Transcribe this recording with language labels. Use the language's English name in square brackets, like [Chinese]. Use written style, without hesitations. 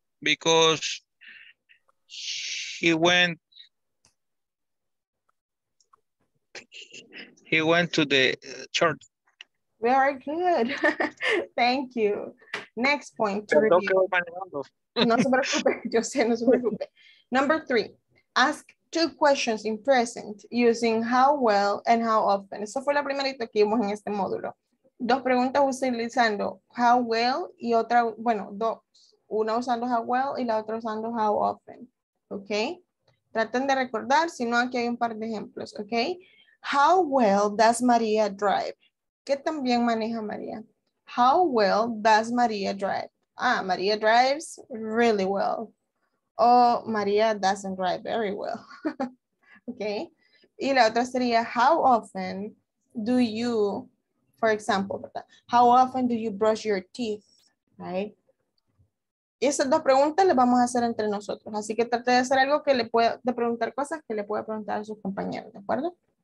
[English] Because he went to the church. Very good. Thank you. Next point. [Spanish] To no se preocupe. Yo sé, no se preocupe. [English] Number three. Ask two questions in present using how well and how often. [Spanish] Esa fue la primerita que vimos en este módulo. Dos preguntas utilizando how well y otra, bueno, dos. Una usando how well y la otra usando how often. ¿Ok? Traten de recordar, si no, aquí hay un par de ejemplos. [English] ¿Ok? How well does María drive? [Spanish] ¿Qué también maneja María? [English] How well does María drive? María drives really well. Oh, Maria doesn't write very well. Okay. [Spanish] Y la otra sería, [English] how often do you, for example, how often do you brush your teeth, right? [Spanish] Y esas dos preguntas las vamos a hacer entre nosotros. Así que trate de hacer algo que le pueda, de preguntar cosas que le pueda preguntar a sus compañeros, ¿de acuerdo?